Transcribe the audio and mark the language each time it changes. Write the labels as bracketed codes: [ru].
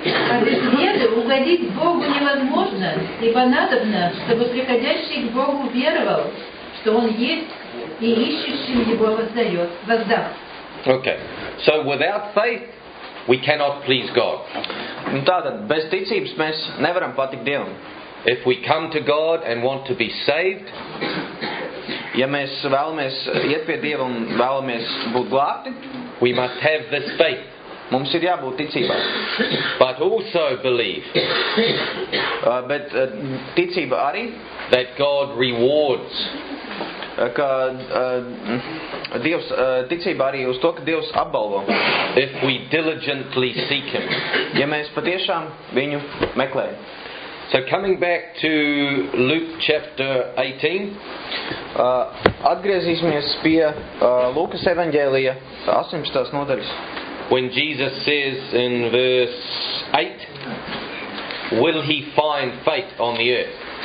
[ru] А без веры угодить Богу невозможно, ибо надобно, чтобы приходящий к Богу веровал, что Он есть и ищущим Его воздаст. [en] Okay. So without faith we cannot please God. [lv] Tātad, bez ticības mēs nevaram patikt Dievam. [en] If we come to God and want to be saved, [lv] ja mēs vēlamies iet pie Dieva un vēlamies būt glābti, [en] we must have this faith. [lv] Mums ir jābūt ticībā. [en] But also believe. [lv] Bet ticība arī. [en] That God rewards. [lv] Ka Dievs, ticība arī uz to, ka Dievs apbalvo. [en] If we diligently seek Him. [lv] Ja mēs patiešām viņu meklējam. [en] So coming back to Luke chapter 18. [lv] Atgriezīsimies pie Lūkas evaņģēlija 18. Nodaļas. [en] When Jesus says in verse 8, will he find faith on the earth?